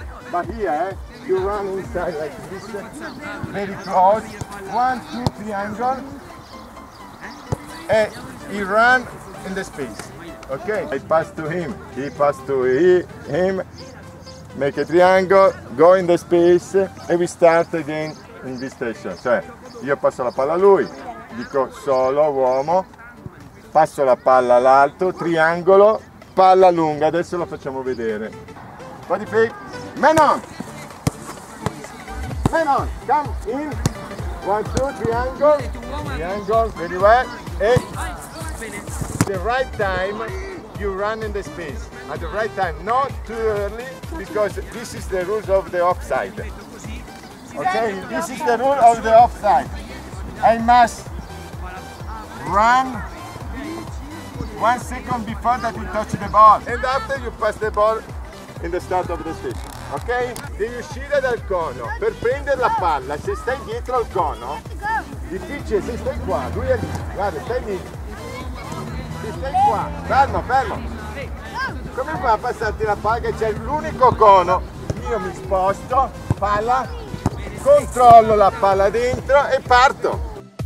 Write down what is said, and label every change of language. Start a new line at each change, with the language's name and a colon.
English: But here, you run inside like this. Very close. One, two, three angle. He run in the space. Okay, I pass to him. He pass to him. Make a triangle, go in the space, and we start again in this station.
Italian: Cioè, io passo la palla a lui, dico solo uomo, passo la palla all'alto, triangolo, palla lunga. Adesso lo facciamo vedere.
English: Body fake.
Italian: Menon!
English: Menon, come in. One, two, triangle. Triangle, very well. And the right time you run in the space at the right time, not too early, because this is the rules of the offside. Okay, this is the rule of the offside. I must run 1 second before that you touch the ball, and after you pass the ball in the start of the space.
Italian: Okay, devi uscire dal cono per prendere la palla. Se stai dietro al cono, difficile. Se stai qua, lui è lì. Guarda, stai lì. Stai qua, fermo, fermo. Come fa a passarti la palla che c'è l'unico cono? Io mi sposto, palla, controllo la palla dentro e parto.